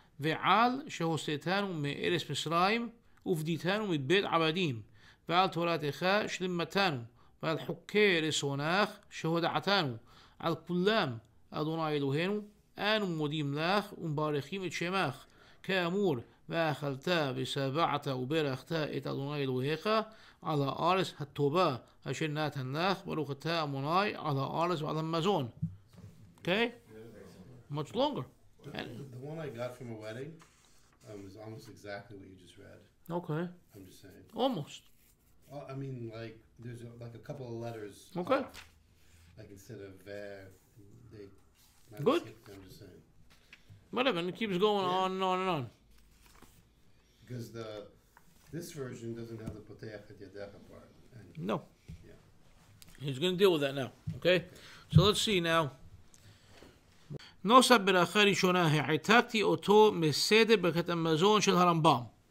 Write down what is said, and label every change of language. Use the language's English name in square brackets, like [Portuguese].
[Hebrew] ועל שהוצאתנו מארץ מצרים ופדיתנו מבית עבדים ועל תורתך שלמתנו ועל חוקי רצונך שהודעתנו על כולם אדוני אלוהינו אנו מודים לך ומברכים את שמך כאמור ואכלת ושבעת וברכת את אדוני אלוהיך על הארץ הטובה אשר נתן לך ברוך אתה אדוני על הארץ ועל המזון. [English] Okay? Much longer. The one I got from a wedding was almost exactly what you just read. Okay. I'm just saying. Almost. Well, I mean, like, there's a couple of letters. Okay. Like, instead of there, they... Good. I'm just saying. Whatever, and it keeps going on and on and on. Because this version doesn't have the [Hebrew] poteach et yadecha [English] part. No. Yeah. He's going to deal with that now, okay? So let's see now. [Hebrew] נוסף ברכה ראשונה, העתקתי אותו מסדר ברכת המזון של הרמב״ם.